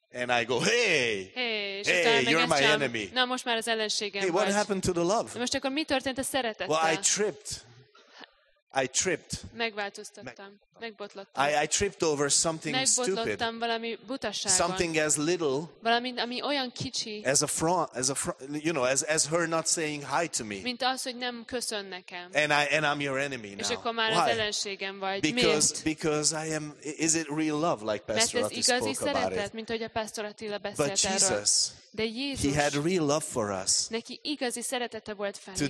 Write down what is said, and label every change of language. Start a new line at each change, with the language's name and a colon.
English: And I go, hey, hey you're my
Hungarian: csinál,
English: enemy.
Hungarian: Na most már az ellenségem
English: hey, what
Hungarian: vagy.
English: Happened to the love?
Hungarian: De most akkor mi történt a szeretettel?
English: Well, I tripped.
Hungarian: Megváltoztattam. Megbotlottam.
English: I tripped over something
Hungarian: megbotlottam
English: stupid.
Hungarian: Megbotlottam valami butaságon.
English: Something as little.
Hungarian: Valami, ami olyan kicsi.
English: As a front, you know, as her not saying hi to me.
Hungarian: Mint az, hogy nem köszön nekem.
English: And I'm your enemy now.
Hungarian: És akkor már
English: Why?
Hungarian: Az ellenségem vagy.
English: Because
Hungarian: miért?
English: Because I am. Is it real love, like Pastor Attila spoke
Hungarian: szeretet,
English: about it?
Hungarian: Mert ez igazi szeretet, mint hogy a Pastor Attila beszélt
English: But Jesus.
Hungarian: Erről. De Jézus,
English: he had real love for us.
Hungarian: Neki igazi szeretete volt felénk.